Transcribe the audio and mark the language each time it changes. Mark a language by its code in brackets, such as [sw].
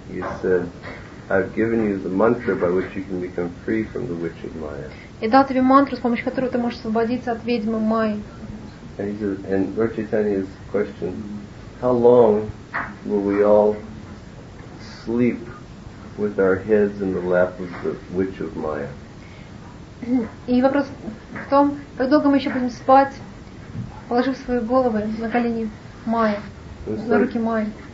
[en] He said, "I've given you the mantra by which you can become free from the witch of Maya." [ru] Я дал тебе мантру, с помощью которой ты можешь освободиться от ведьмы Майи. [en] And he says, and Lord Chaitanya's question, "How long will we all sleep with our heads in the lap of the witch of Maya?" [ru] И вопрос в том, как долго мы еще будем спать, положив свои головы на колени Майи, на руки Майи.